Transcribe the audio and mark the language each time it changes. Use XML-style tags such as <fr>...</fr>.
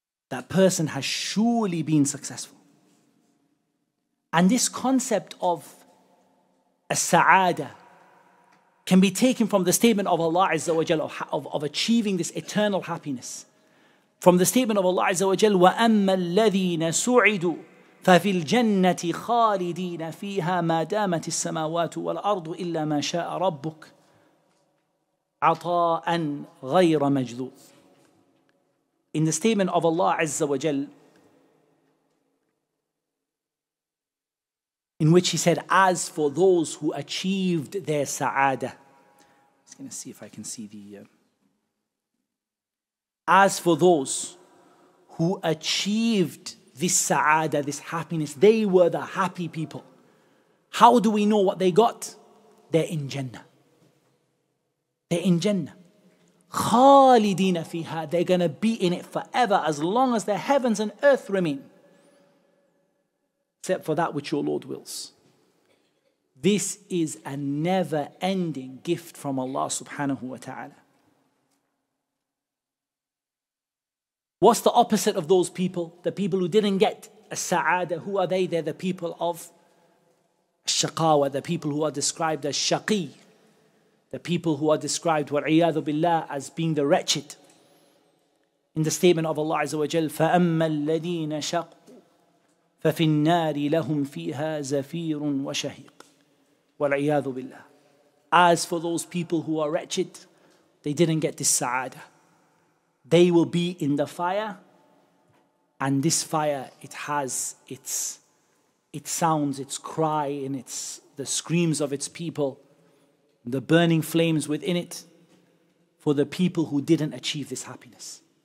<en>That person has surely been successful. And this concept of as-sa'ada can be taken from the statement of Allah Azza wa Jal of achieving this eternal happiness.</en> <ar>From the statement of Allah Azza wa Jal, وَأَمَّا الَّذِينَ سُعِدُوا فَفِي الْجَنَّةِ خَالِدِينَ فِيهَا مَا دَامَتِ السَّمَاوَاتُ وَالْأَرْضُ إِلَّا مَا شَاءَ رَبُّكَ عَطَاءً غَيْرَ مَجْذُوذٍ.</ar> <en>In the statement of Allah Azza wa Jal, in which he said, as for those who achieved their sa'ada, I'm just going to see if I can see the... As for those who achieved this sa'ada, this happiness, they were the happy people. How do we know what they got? They're in Jannah. They're in Jannah.</en> <ar>خالدين فيها,</ar> <en>they're going to be in it forever as long as the heavens and earth remain, except for that which your Lord wills. This is a never-ending gift from Allah subhanahu wa ta'ala. What's the opposite of those people? The people who didn't get a sa'ada, who are they? They're the people of shaqawa, the people who are described as shaqi, the people who are described, wal'iyadu billah, as being the wretched.</en> <ar>In the statement of Allah Azza wa Jal, فَأَمَّا الَّذِينَ شَقُوا فَفِي النَّارِ لَهُمْ فِيهَا زَفِيرٌ وَشَهِيقٌ وَالْعِيَاذُ بِاللَّهِ.</ar> <en>As for those people who are wretched, they didn't get this sa'ada. They will be in the fire, and this fire, it has its sounds, its cry, and its the screams of its people, the burning flames within it, for the people who didn't achieve this happiness.</en>